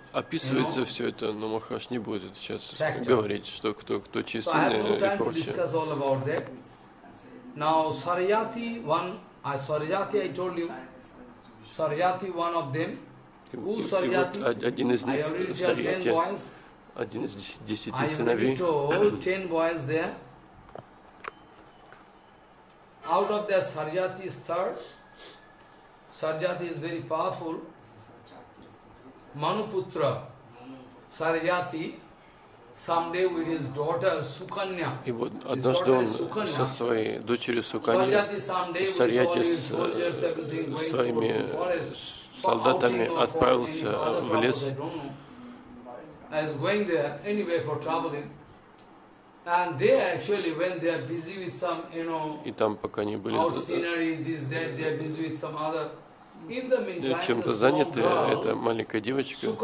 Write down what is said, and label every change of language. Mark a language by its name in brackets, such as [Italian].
[Russian] Описывается все это, но Махарадж не будет сейчас говорить, что кто чистый и прочее. [English] So I have no time to discuss all about that. Now Sarayati one, Sarayati I told you, Sarayati one of them. Who Sarayati? [Russian] Один из них Sarayati. Один из десяти сыновей. [English] I have told 10 boys there. Out of that Sarayati is third. Sarjati is very powerful. Manuputra Sarjati, someday with his daughter Sukanya. [Russian] И вот однажды он со своей дочерью Суканья, Сарьяти с своими солдатами отправился в лес. [English] Is going there anyway for traveling. And they actually when they are busy with some, you know, [Russian] и там пока не были [English] scenery, this, that, they are busy with some other. [Russian] Чем-то заняты, эта маленькая девочка,